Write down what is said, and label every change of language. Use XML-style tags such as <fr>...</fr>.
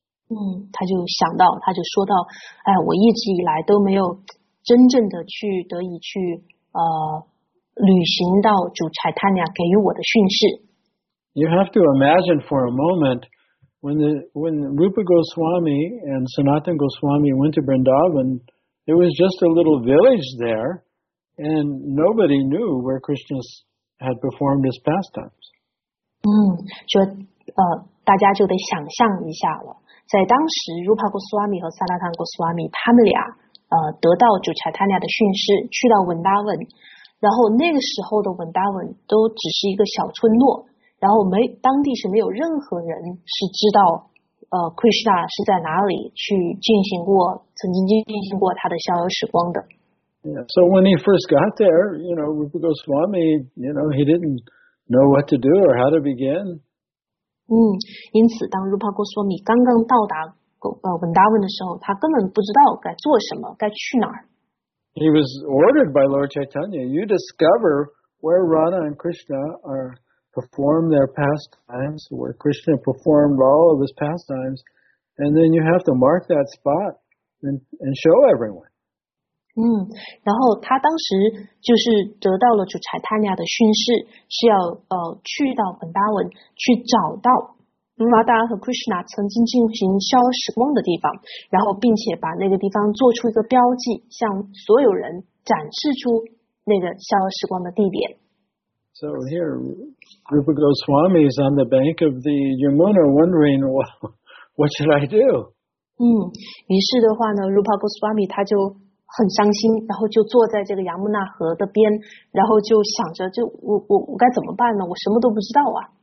<zh>他就想到，他就说到，哎，我一直以来都没有真正的去得以去履行到主柴坦尼亚给予我的训示。</zh> <en>You have to imagine for a moment when Rupa Goswami and Sanatana Goswami went to Vrindavan, it was just a little village there, and nobody knew where Krishna had performed his pastimes.</en> <zh>大家就得想象一下了，在当时 Rupa Goswami 和 Sanatana Goswami 他们俩。得到主柴坦尼亚的训示，去到文达文，然后那个时候的文达文都只是一个小村落，然后没当地是没有任何人是知道Krishna 是在哪里去进行过曾经进行过他的逍遥时光的。</zh> <en>Yeah, so when he first got there, you know, Rupa Goswami, you know, he didn't know what to do or how to begin.</en> <zh>嗯，因此当 Rupa Goswami 刚刚到达Vrindavan 的时候，他根本不知道该做什么，该去哪儿。</zh> <en>He was ordered by Lord Chaitanya, you discover where Radha and Krishna are perform their pastimes, where Krishna performed all of his pastimes, and then you have to mark that spot and show everyone.</en> <zh>然后他当时就是得到了主柴塔尼亚的训示，是要去到本达文去找到拉达和 Krishna 曾经进行逍遥时光的地方，然后并且把那个地方做出一个标记，向所有人展示出那个逍遥时光的地点。</zh> <en>So here, Rupa Goswami is on the bank of the Yamuna, wondering what should I do.</en> <zh>于是的话呢 ，Rupa Goswami 他就很伤心，然后就坐在这个杨木纳河的边，然后就想着，就我该怎么办呢？我什么都不知道啊。</zh>